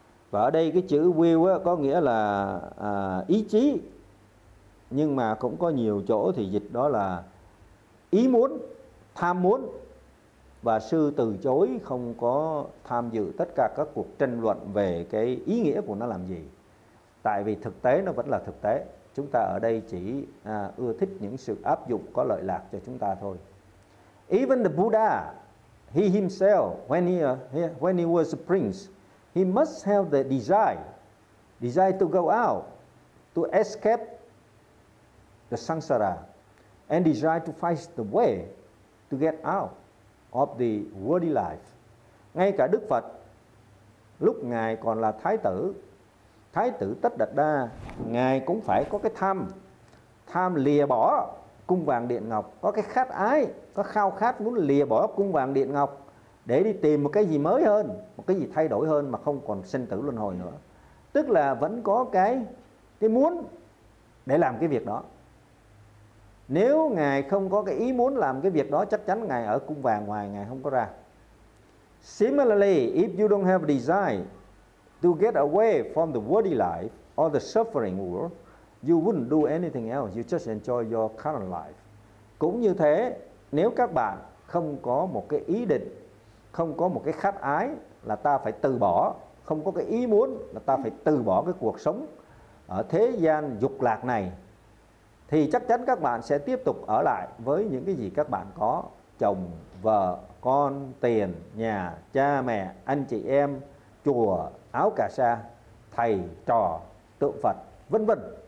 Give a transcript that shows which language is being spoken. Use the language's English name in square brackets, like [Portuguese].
[Vietnamese] Và ở đây cái chữ will á, có nghĩa là ý chí, nhưng mà cũng có nhiều chỗ thì dịch đó là ý muốn, tham muốn. Và sư từ chối không có tham dự tất cả các cuộc tranh luận về cái ý nghĩa của nó làm gì. Tại vì thực tế nó vẫn là thực tế. Chúng ta ở đây chỉ ưa thích những sự áp dụng có lợi lạc cho chúng ta thôi. [English] Even the Buddha, he himself, when he was a prince, he must have the desire to go out, to escape the samsara, and desire to find the way to get out of the worldly life. [Vietnamese] Ngay cả Đức Phật, lúc ngài còn là Thái tử Tất Đạt Đa, ngài cũng phải có cái tham lìa bỏ cung vàng điện ngọc, có cái khát ái, có khao khát muốn lìa bỏ cung vàng điện ngọc để đi tìm một cái gì mới hơn, một cái gì thay đổi hơn mà không còn sinh tử luân hồi nữa. Tức là vẫn có cái muốn để làm cái việc đó. Nếu ngài không có cái ý muốn làm cái việc đó, chắc chắn ngài ở cung vàng ngoài, ngài không có ra. [English] Similarly, if you don't have a desire to get away from the worldly life or the suffering world, you wouldn't do anything else. You just enjoy your current life. [Vietnamese] Cũng như thế, nếu các bạn không có một cái ý định, không có một cái khát ái là ta phải từ bỏ, không có cái ý muốn là ta phải từ bỏ cái cuộc sống ở thế gian dục lạc này, thì chắc chắn các bạn sẽ tiếp tục ở lại với những cái gì các bạn có: chồng, vợ, con, tiền, nhà, cha mẹ, anh chị em, chùa, áo cà sa, thầy, trò, tượng Phật, vân vân.